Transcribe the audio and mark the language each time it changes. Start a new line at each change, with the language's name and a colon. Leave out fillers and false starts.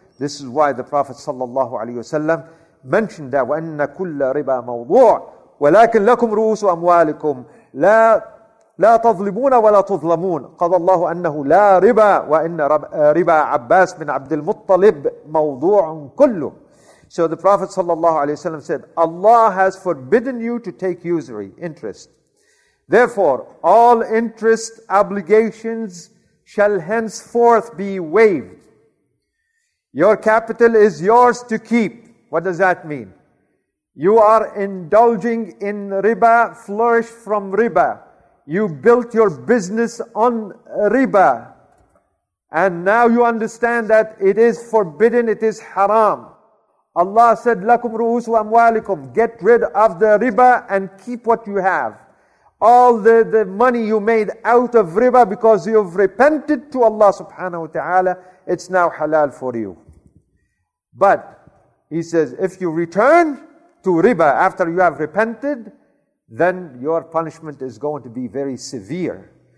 English: This is why the Prophet sallallahu alayhi wa sallam mentioned that
Arabic: وَأَنَّ كُلَّ رِبَى مَوْضُوعٌ وَلَكِنْ لَكُمْ رُؤُسُ أَمْوَالِكُمْ لَا تَظْلِمُونَ وَلَا تُظْلَمُونَ قَضَى اللَّهُ أَنَّهُ لَا رِبَى وَإِنَّ رِبَى عَبَّاسٍ مِنْ عَبْدِ الْمُطَّلِبِ مَوْضُوعٌ كُلُّهُ.
English: So the Prophet sallallahu alayhi wa sallam said, Allah has forbidden you to take usury, interest. Therefore, all interest obligations shall henceforth be waived. Your capital is yours to keep. What does that mean? You are indulging in riba, flourish from riba. You built your business on riba. And now you understand that it is forbidden, it is haram. Allah said,
Arabic: لَكُمْ رُؤُسُ أَمْوَالِكُمْ.
English: Get rid of the riba and keep what you have. All the money you made out of riba because you've repented to Allah subhanahu wa ta'ala, it's now halal for you. But he says, if you return to riba after you have repented, then your punishment is going to be very severe.